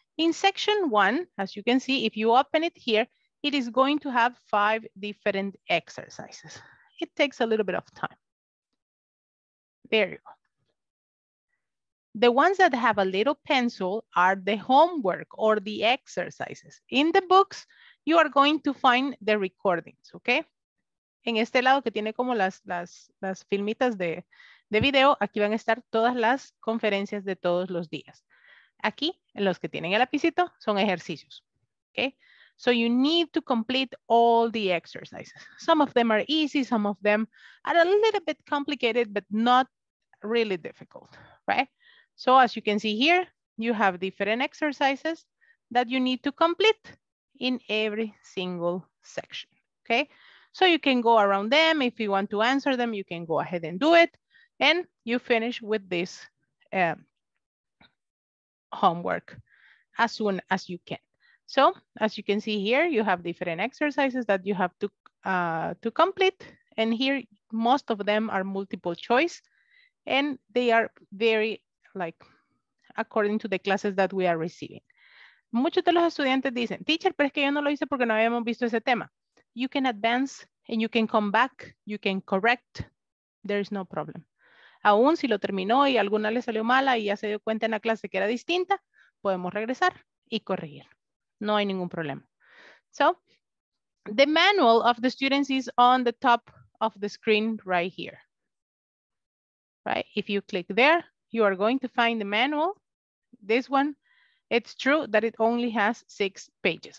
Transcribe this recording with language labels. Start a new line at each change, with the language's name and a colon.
English: In section one, as you can see, if you open it here, it is going to have 5 different exercises. It takes a little bit of time. There you go. The ones that have a little pencil are the homework or the exercises. In the books, you are going to find the recordings, okay?
Spanish: En este lado que tiene como las filmitas de video, aquí van a estar todas las conferencias de todos los días. Aquí, en los que tienen el lapicito, son ejercicios, okay?
English: So you need to complete all the exercises. Some of them are easy, some of them are a little bit complicated, but not really difficult, right? So as you can see here, you have different exercises that you need to complete in every single section, okay? So you can go around them. If you want to answer them, you can go ahead and do it. And you finish with this, homework as soon as you can. So as you can see here, you have different exercises that you have to complete. And here, most of them are multiple choice and they are very like according to the classes that we are receiving.
Spanish: muchos de los estudiantes dicen, teacher, pero es que yo no lo hice porque no habíamos visto ese tema.
English: You can advance and you can come back, you can correct, there is no problem.
Spanish: Aún si lo terminó y alguna le salió mala y ya se dio cuenta en la clase que era distinta, podemos regresar y corregir. No hay ningún problema.
English: So, the manual of the students is on the top of the screen right here. Right? If you click there, you are going to find the manual. This one, it's true that it only has 6 pages.